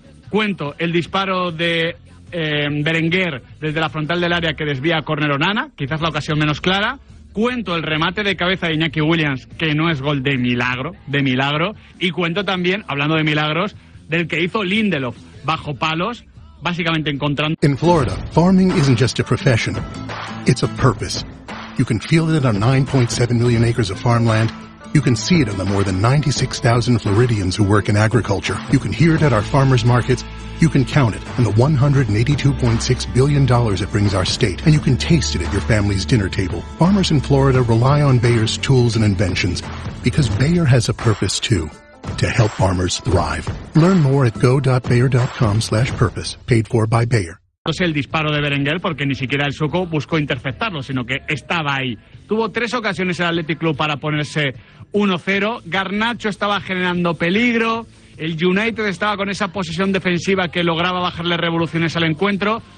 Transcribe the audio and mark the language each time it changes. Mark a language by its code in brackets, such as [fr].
[es] Cuento el disparo de Berenguer desde la frontal del área que desvía a córner Onana, quizás la ocasión menos clara. Cuento el remate de cabeza de Iñaki Williams, que no es gol de milagro, y cuento también, hablando de milagros, del que hizo Lindelof bajo palos, básicamente encontrando... [en] In Florida, farming isn't just a profession, it's a purpose. You can feel it in our 9.7 million acres of farmland. You can see it in the more than 96,000 Floridians who work in agriculture. You can hear it at our farmers markets. You can count it in the $182.6 billion it brings our state. And you can taste it at your family's dinner table. Farmers in Florida rely on Bayer's tools and inventions because Bayer has a purpose too, to help farmers thrive. Learn more at go.bayer.com/purpose. Paid for by Bayer. [es] No sé el disparo de Berenguer porque ni siquiera el Soco buscó interceptarlo, sino que estaba ahí. Tuvo tres ocasiones el Athletic Club para ponerse 1-0. Garnacho estaba generando peligro. El United estaba con esa posición defensiva que lograba bajarle revoluciones al encuentro.